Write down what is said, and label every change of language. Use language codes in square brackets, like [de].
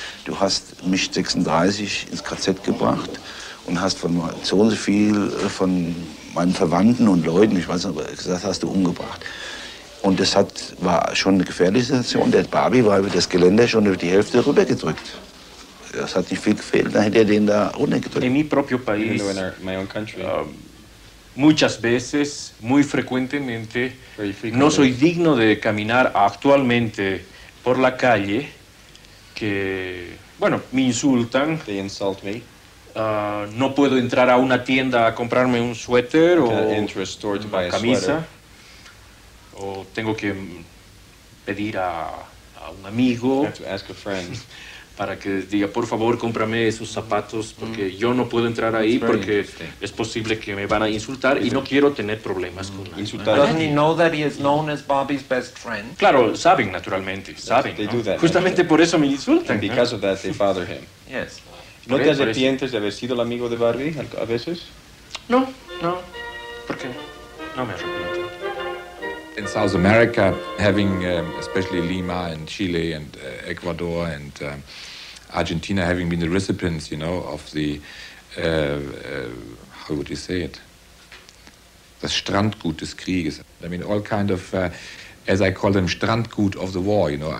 [de] Du hast mich 36 ins KZ gebracht und hast von so und so viel von meinen Verwandten und Leuten, ich weiß nicht, gesagt, hast du umgebracht. Und das hat, war schon eine gefährliche Situation. Der Barbie war über das Geländer schon über die Hälfte rübergedrückt. Das hat nicht viel gefehlt, dann hätte er den da runtergedrückt. In meinem [es] propio país, [en] in my own country. [es] Muchas veces, muy frecuentemente, no soy digno de caminar actualmente por la calle, que, bueno, me insultan. [en] They insult me. [es] No puedo entrar a una tienda a comprarme un suéter o una camisa. O tengo que pedir a un amigo para que diga, por favor, cómprame esos zapatos, porque yo no puedo entrar ahí, porque es posible que me van a insultar y no quiero tener problemas con nadie. Insultar. [en] ¿Doesn't he know that he is known as Bobby's best friend? [es] Claro, saben, naturalmente, saben. [en] They do that, [es] justamente por eso me insultan. [en] And because of that, they bother him. Yes. [es] ¿No te arrepientes de haber sido el amigo de Barbie a veces? No, no. ¿Por qué? No me arrepiento. [en] In South America, having especially Lima and Chile and Ecuador and Argentina having been the recipients, you know, of the, how would you say it? [de] Das Strandgut des Krieges. [en] I mean, all kind of, as I call them, Strandgut of the war, you know.